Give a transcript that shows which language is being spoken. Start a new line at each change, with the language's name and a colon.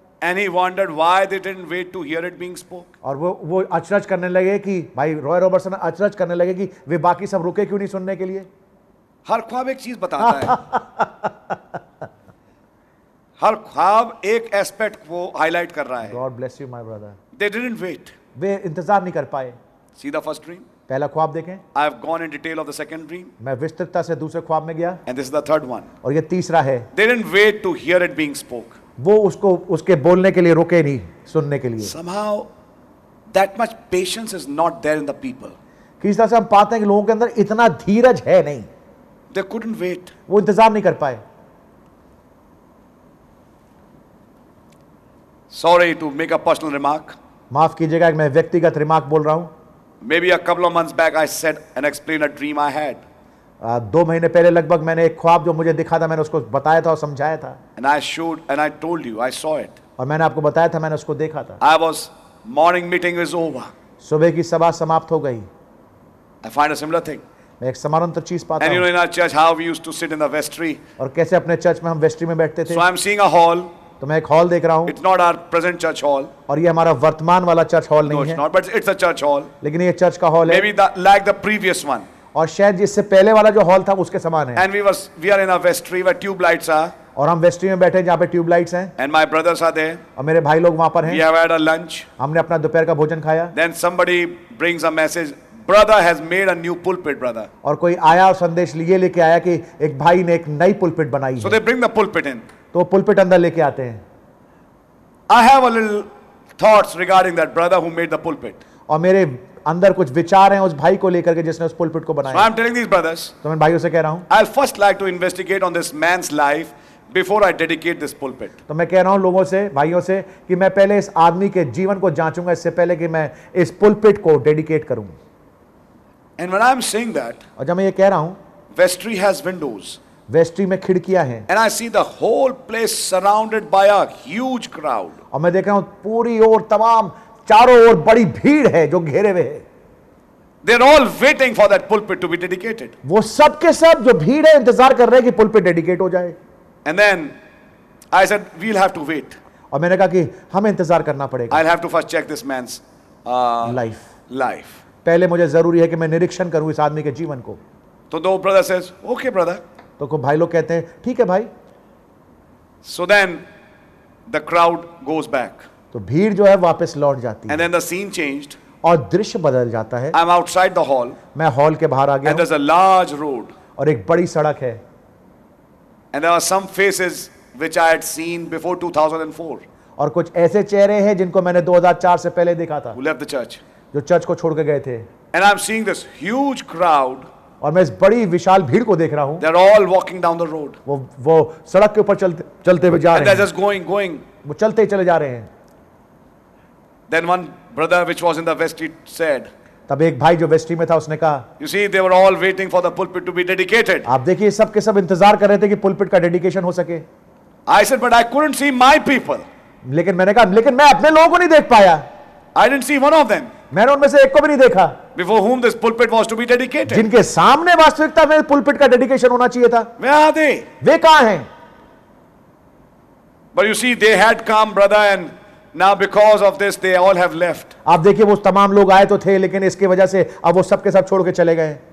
English: And he wondered why they didn't wait to hear it being spoke.
Hindi: और वो अचरज करने लगे कि भाई रॉय रॉबर्टसन अचरज करने लगे कि वे बाकी सब रुके क्यों नहीं सुनने के लिए. हर ख्वाब एक चीज बताता है. हर ख्वाब एक एस्पेक्ट को हाईलाइट कर रहा है.
English: God bless you, my brother. They didn't wait.
Hindi: वे इंतजार नहीं कर पाए.
English: See the first dream.
Hindi: पहला ख्वाब देखें.
English: I have gone in detail of the second dream.
Hindi: मैं विस्तृतता से दूसरे ख्वाब में गया.
English: And this is the third one.
Hindi: और ये तीसरा है.
English: They didn't wait to hear it being spoke.
Hindi: वो उसको उसके बोलने के लिए रुके नहीं सुनने के लिए.
English: Somehow that much patience is not there in the people.
Hindi: किस तरह से हम पाते हैं कि लोगों के अंदर इतना धीरज है नहीं.
English: They couldn't wait.
Hindi: वो इंतजार नहीं कर पाए.
English: Sorry to make a personal remark.
Hindi: माफ कीजिएगा, मैं व्यक्तिगत रिमार्क बोल रहा हूं.
English: Maybe a couple of months back I said and explained a dream I had.
Hindi: 2 महीने पहले लगभग मैंने एक ख्वाब जो मुझे दिखा था मैंने उसको बताया था और समझाया था.
English: And I told you I saw it.
Hindi: और मैंने आपको बताया था मैंने उसको देखा था.
English: I was morning meeting was over.
Hindi: सुबह की सभा समाप्त हो गई.
English: I find a similar thing.
Hindi: मैं एक समानांतर चीज पाता
English: हूं. And you know in our church how we used to sit in the vestry.
Hindi: और कैसे अपने चर्च में हम वेस्ट्री में बैठते थे.
English: So I'm seeing a hall.
Hindi: तो मैं एक हॉल देख रहा हूँ.
English: It's not our present church hall.
Hindi: और ये हमारा वर्तमान वाला चर्च हॉल नहीं है.
English: No, it's not, but it's a church hall.
Hindi: लेकिन ये चर्च का हॉल है.
English: Maybe the, like the previous one.
Hindi: और शायद जिससे पहले वाला जो हॉल था उसके समान है.
English: And we are in a vestry where tube lights are.
Hindi: और हम वेस्ट्री में बैठे हैं जहाँ पे ट्यूब लाइट्स हैं.
English: And my brothers are there.
Hindi: और मेरे भाई लोग वहाँ पर हैं.
English: We have had a lunch.
Hindi: हमने अपना दोपहर का भोजन खाया.
English: Then somebody brings a message. Brother has made a new pulpit, brother.
Hindi: और कोई आया और संदेश लिए लेके आया कि एक भाई ने एक नई पुलपिट बनाई.
English: So they bring the pulpit in.
Hindi: तो पुलपिट अंदर लेके आते हैं.
English: I have a little thoughts regarding that brother who made the pulpit.
Hindi: और मेरे अंदर कुछ विचार हैं उस भाई को लेकर के जिसने उस पुलपिट को बनाया.
English: So I'm telling these brothers.
Hindi: तो मैं भाइयों से कह रहा हूँ.
English: I'll first like to investigate on this man's life before I dedicate this pulpit.
Hindi: तो मैं कह रहा हूँ लोगों से, भाइयों से, कि मैं पहले इस आदमी के जीवन को जांचूंगा इससे पहले कि मैं इस पुलपिट को डेडिकेट करूं.
English: And when I'm saying that.
Hindi: और जब मैं ये कह रहा हूँ.
English: Vestry has windows.
Hindi: वेस्ट्री में खिड़कियां हैं.
English: And I see the whole place surrounded by a huge crowd.
Hindi: और मैं देख रहा हूं पूरी ओर तमाम चारों ओर बड़ी भीड़ है जो घेरे हुए है.
English: They're all waiting for that pulpit to be dedicated.
Hindi: वो सब के सब जो भीड़ है इंतजार कर रहे हैं कि पुलपिट डेडिकेट हो जाए.
English: And then I said we'll have to wait.
Hindi: और मैंने कहा कि हमें इंतजार करना पड़ेगा.
English: I'll have to first check this man's life.
Hindi: पहले मुझे जरूरी है कि मैं निरीक्षण करूं इस आदमी के जीवन को.
English: तो दो brother says okay brother.
Hindi: तो कुछ भाई लोग कहते हैं ठीक है भाई.
English: So then the crowd goes back.
Hindi: तो भीड़ जो है वापस लौट जाती
English: and
Hindi: है.
English: And then the scene changed.
Hindi: और दृश्य बदल जाता है.
English: I'm outside the hall.
Hindi: मैं हॉल के बाहर आ गया.
English: And there's a large road.
Hindi: और एक बड़ी सड़क है.
English: And there are some faces which I had seen before 2004.
Hindi: और कुछ ऐसे चेहरे हैं जिनको मैंने 2004 से पहले देखा था.
English: Who left the church.
Hindi: जो चर्च को छोड़ के गए थे.
English: And I'm seeing this huge crowd.
Hindi: और मैं इस बड़ी विशाल भीड़ को देख रहा हूँ.
English: They are all walking down the road.
Hindi: वो सड़क के ऊपर चलते हुए जा रहे हैं.
English: And they're just going.
Hindi: वो चलते ही चले जा रहे हैं.
English: Then one brother which was in the vestry said.
Hindi: तब एक भाई जो वेस्ट्री में था उसने कहा.
English: You see they were all waiting for the pulpit to be dedicated.
Hindi: आप देखिए सब के सब इंतजार कर रहे थे कि पुलपिट का डेडिकेशन हो सके.
English: I said but I couldn't see my people.
Hindi: लेकिन मैंने कहा लेकिन मैं अपने लोगों को नहीं देख पाया.
English: I didn't see one of them.
Hindi: मैंने उनमें से एक को भी नहीं देखा.
English: Before whom this pulpit was to be dedicated.
Hindi: जिनके सामने वास्तविकता में पुलपिट का डेडिकेशन होना चाहिए था.
English: Where are they?
Hindi: वे कहाँ हैं?
English: But you see, they had come, brother, and now because of this, they all have left.
Hindi: आप देखिए वो तमाम लोग आए तो थे लेकिन इसके वजह से अब वो सब के सब छोड़ के चले गए.